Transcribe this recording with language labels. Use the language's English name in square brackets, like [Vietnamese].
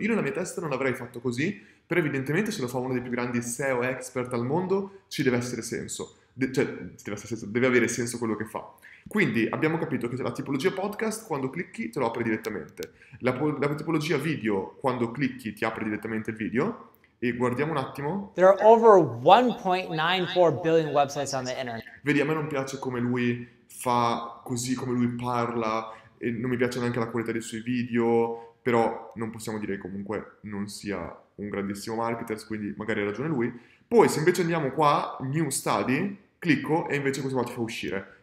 [Italian] Io nella mia testa non avrei fatto così, però evidentemente se lo fa uno dei più grandi SEO expert al mondo, ci deve essere senso. Cioè, deve avere senso quello che fa. Quindi abbiamo capito che la tipologia podcast, quando clicchi, te lo apre direttamente. La tipologia video, quando clicchi, ti apre direttamente il video. E guardiamo un attimo. [English] There are over 1.94 billion websites on the internet. [Italian] Vedi, a me non piace come lui fa, così come lui parla, e non mi piace neanche la qualità dei suoi video, però non possiamo dire che comunque non sia un grandissimo marketer, quindi magari ha ragione lui. Poi, se invece andiamo qua, New Study, clicco e invece questo qua ti fa uscire.